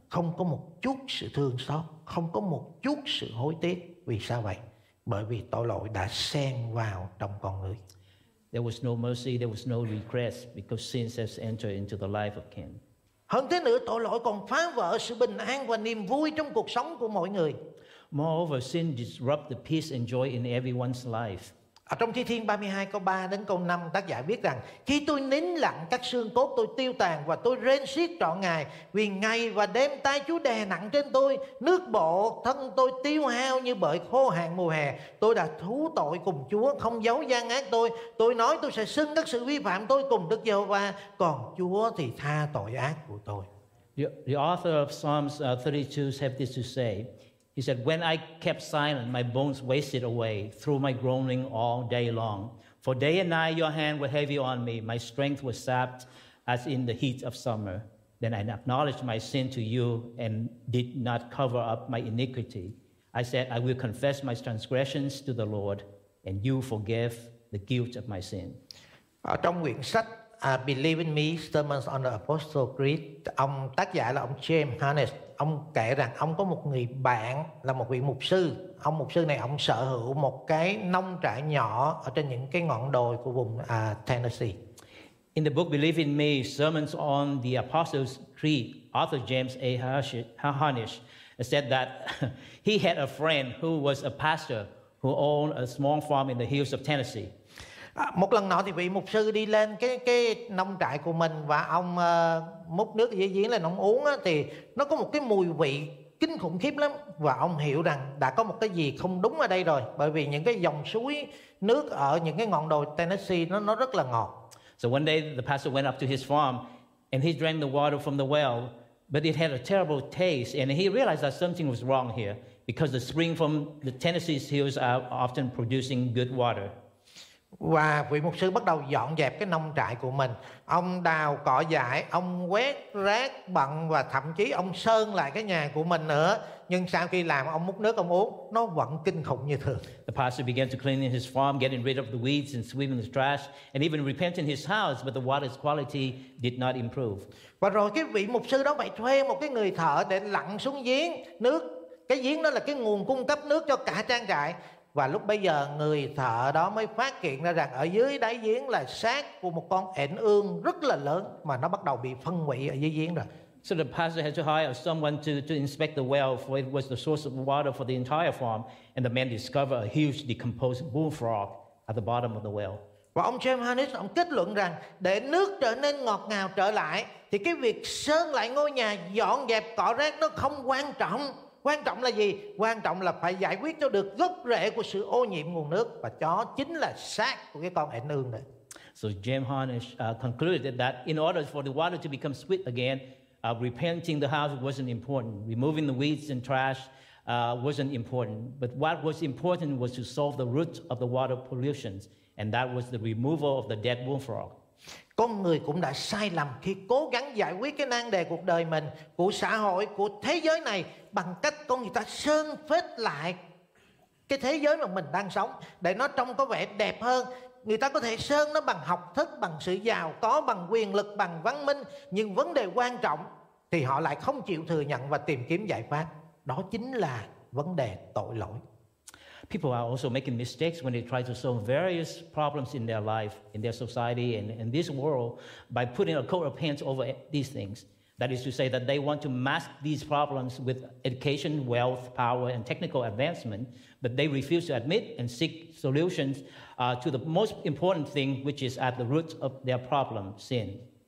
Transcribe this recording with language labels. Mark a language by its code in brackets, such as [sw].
[vi] Không có một chút sự thương xót, không có một chút sự hối tiếc. Vì sao vậy? Bởi vì tội lỗi đã xen vào trong con người. [en] There was no mercy, there was no regret because sin has entered into the life of Cain. [vi] Hơn thế nữa, tội lỗi còn phá vỡ sự bình an và niềm vui trong cuộc sống của mọi người. [en] Moreover, sin disrupts the peace and joy in everyone's life. [vi] Ở trong Thi Thiên 32 câu 3 đến câu 5, tác giả viết rằng: khi tôi nín lặng, các xương cốt tôi tiêu tàn và tôi rên xiết trọn ngày, vì ngày và đêm tay Chúa đè nặng trên tôi, nước bộ thân tôi tiêu hao như bởi khô hạn mùa hè. Tôi đã thú tội cùng Chúa, không giấu gian ác tôi. Tôi nói tôi sẽ xưng các sự vi phạm tôi cùng Đức Giê-hô-va, còn Chúa thì tha tội ác của tôi. [en] The author of Psalms 32 have this to say. He said, when I kept silent, my bones wasted away through my groaning all day long. For day and night your hand were heavy on me. My strength was sapped as in the heat of summer. Then I acknowledged my sin to you and did not cover up my iniquity. I said, I will confess my transgressions to the Lord and you forgave the guilt of my sin. [vi] Trong quyển sách Believe in Me, Sermons on the Apostle Creed, ông tác giả là ông James Harness. Ông kể rằng ông có một người bạn là một vị mục sư. Ông mục sư này ông sở hữu một cái nông trại nhỏ ở trên những cái ngọn đồi của vùng Tennessee. [en] In the book Believe in Me, Sermons on the Apostles' Creed, author James A. Harnish said that he had a friend who was a pastor who owned a small farm in the hills of Tennessee. [vi] Một lần nọ thì vị mục sư đi lên cái nông trại của mình và ông múc nước dưới giếng lên ông uống á, thì nó có một cái mùi vị kinh khủng khiếp lắm. Và ông hiểu rằng đã có một cái gì không đúng ở đây rồi, bởi vì những cái dòng suối nước ở những cái ngọn đồi Tennessee nó rất là ngọt. [en] So one day the pastor went up to his farm and he drank the water from the well, but it had a terrible taste and he realized that something was wrong here because the spring from the Tennessee hills are often producing good water. [vi] Và vị mục sư bắt đầu dọn dẹp cái nông trại của mình. Ông đào cỏ dại, ông quét rác bận và thậm chí ông sơn lại cái nhà của mình nữa. Nhưng sau khi làm, ông múc nước, ông uống, nó vẫn kinh khủng như thường. [en] The pastor began to clean his farm, getting rid of the weeds and sweeping the trash, and even repainting his house, but the water's quality did not improve. [vi] Và rồi cái vị mục sư đó phải thuê một cái người thợ để lặn xuống giếng nước. Cái giếng đó là cái nguồn cung cấp nước cho cả trang trại. Và lúc bây giờ người thợ đó mới phát hiện ra rằng ở dưới đáy giếng là xác của một con ển ương rất là lớn mà nó bắt đầu bị phân hủy ở dưới giếng rồi. [en] So the pastor had to hire someone to inspect the well, for it was the source of water for the entire farm, and the man discovered a huge decomposed bullfrog at the bottom of the well. [vi] Và ông James Harnish ông kết luận rằng để nước trở nên ngọt ngào trở lại thì cái việc sơn lại ngôi nhà, dọn dẹp cỏ rác nó không quan trọng. Quan trọng là gì? Quan trọng là phải giải quyết cho được gốc rễ của sự ô nhiễm nguồn nước, và chó chính là xác của cái con ển ương này. [en] So James Harnish concluded that in order for the water to become sweet again, repainting the house wasn't important. Removing the weeds and trash wasn't important. But what was important was to solve the root of the water pollution, and that was the removal of the dead bullfrog. [vi] Con người cũng đã sai lầm khi cố gắng giải quyết cái nan đề cuộc đời mình, của xã hội, của thế giới này bằng cách con người ta sơn phết lại cái thế giới mà mình đang sống để nó trông có vẻ đẹp hơn. Người ta có thể sơn nó bằng học thức, bằng sự giàu có, bằng quyền lực, bằng văn minh, nhưng vấn đề quan trọng thì họ lại không chịu thừa nhận và tìm kiếm giải pháp. Đó chính là vấn đề tội lỗi. [en] People are also making mistakes when they try to solve various problems in their life, in their society, and in this world by putting a coat of paint over these things. That is to say that they want to mask these problems with education, wealth, power, and technical advancement, but they refuse to admit and seek solutions to the most important thing, which is at the root of their problem, sin.